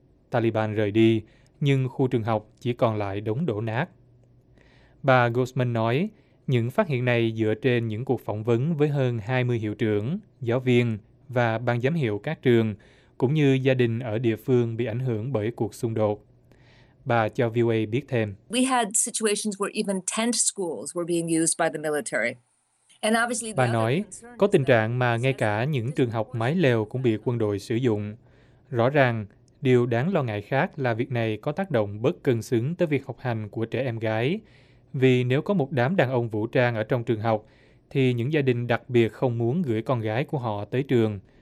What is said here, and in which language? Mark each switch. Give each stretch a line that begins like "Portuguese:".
Vietnamese: Taliban rời đi, nhưng khu trường học chỉ còn lại đống đổ nát. Bà Goldsman nói, những phát hiện này dựa trên những cuộc phỏng vấn với hơn 20 hiệu trưởng, giáo viên và ban giám hiệu các trường, cũng như gia đình ở địa phương bị ảnh hưởng bởi cuộc xung đột. Bà cho VOA biết thêm.
English: We had situations where even tent schools were being used by the military. And obviously,
Vietnamese: bà nói, có tình trạng mà ngay cả những trường học mái lều cũng bị quân đội sử dụng. Rõ ràng, điều đáng lo ngại khác là việc này có tác động bất cân xứng tới việc học hành của trẻ em gái. Vì nếu có một đám đàn ông vũ trang ở trong trường học, thì những gia đình đặc biệt không muốn gửi con gái của họ tới trường.